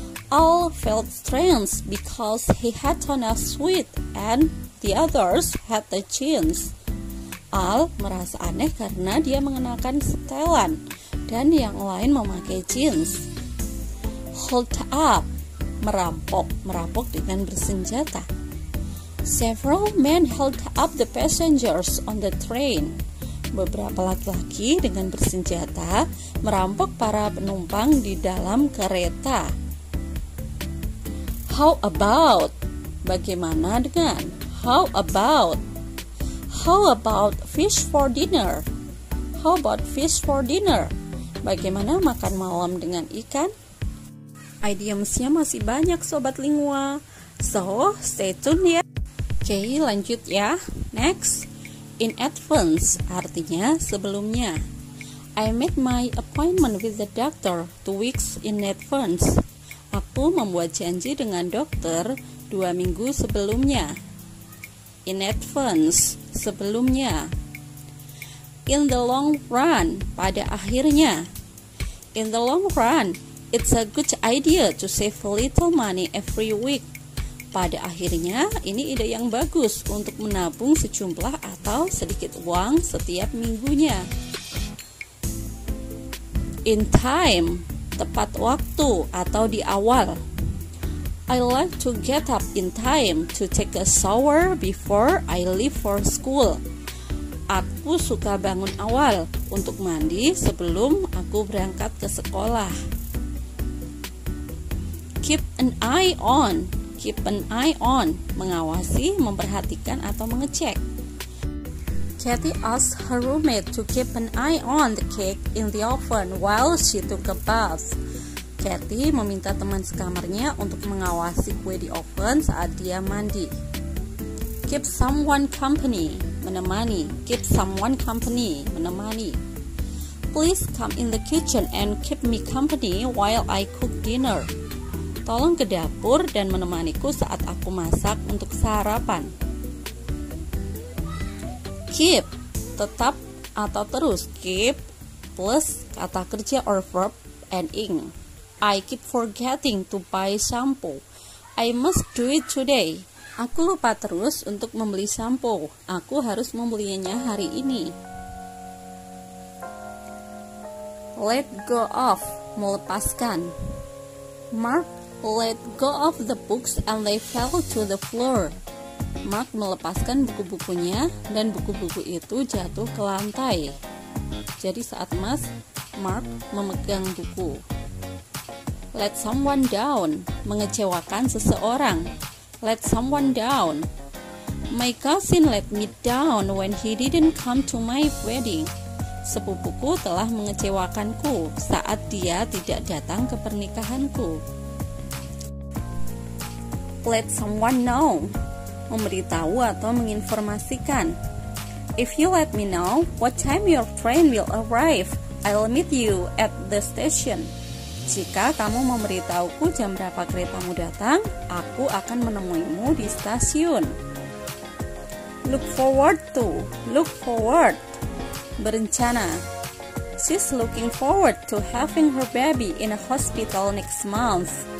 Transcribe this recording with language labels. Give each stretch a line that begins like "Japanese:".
English: All felt strange because he had on a suit and the others had the jeans.
Indonesian: Al merasa aneh karena dia mengenakan setelan dan yang lain memakai jeans.
English: Hold up,
Indonesian: merampok dengan bersenjata.
English: Several men held up the passengers on the train.
Indonesian: Beberapa laki-laki dengan bersenjata merampok para penumpang di dalam kereta.
English: How about?
Indonesian: Bagaimana dengan?
English: How about? How about fish for dinner? How about fish for dinner?
Indonesian: Bagaimana makan malam dengan ikan? Idiomsnya masih banyak sobat lingua.
English: So, stay tuned
Indonesian: ya. Okay, lanjut ya. Next.
English: In advance,
Indonesian: artinya sebelumnya.
English: I made my appointment with the doctor 2 weeks in advance.
Indonesian: Aku membuat janji dengan dokter 2 minggu sebelumnya.
English: In advance, sebelumnya. In the long run,
Indonesian: pada akhirnya.
English: In the long run, it's a good idea to save a little money every week.
Indonesian: Pada akhirnya, ini ide yang bagus untuk menabung sejumlah atau sedikit uang setiap minggunya.
English: In time,
Indonesian: tepat waktu atau di awal.
English: I like to get up in time to take a shower before I leave for school.
Indonesian: Aku suka bangun awal untuk mandi sebelum aku berangkat ke sekolah.
English: Keep an eye on,
Indonesian: mengawasi, memperhatikan, atau mengecek.
English: Kathy asked her roommate to keep an eye on the cake in the oven while she took a bath.
Indonesian: Kathy meminta teman sekamarnya untuk mengawasi kue di oven saat dia mandi.
English: Keep someone company, menemani. Keep someone company, menemani. Please come in the kitchen and keep me company while I cook dinner.
Indonesian: Tolong ke dapur dan menemaniku saat aku masak untuk sarapan.
English: Keep,
Indonesian: tetap atau terus.
English: Keep plus
Indonesian: kata kerja
English: or verb ending. I keep forgetting to buy shampoo. I must do it today.
Indonesian: Aku lupa terus untuk membeli shampoo. Aku harus membelinya hari ini.
English: Let go of, melepaskan. Mark let go of the books and they fell to the floor.
Indonesian: Mark melepaskan buku-bukunya dan buku-buku itu jatuh ke lantai. Jadi saat Mas Mark memegang buku.
English: Let someone down,
Indonesian: mengecewakan seseorang.
English: Let someone down. My cousin let me down when he didn't come to my wedding.
Indonesian: Sepupuku telah mengecewakanku saat dia tidak datang ke pernikahanku.
English: Let someone know,
Indonesian: memberitahu atau menginformasikan.
English: If you let me know what time your train will arrive, I'll meet you at the station.
Indonesian: Jika kamu memberitahuku jam berapa keretamu datang, aku akan menemuimu di stasiun.
English: Look forward to, look forward, berencana. She's looking forward to having her baby in a hospital next month.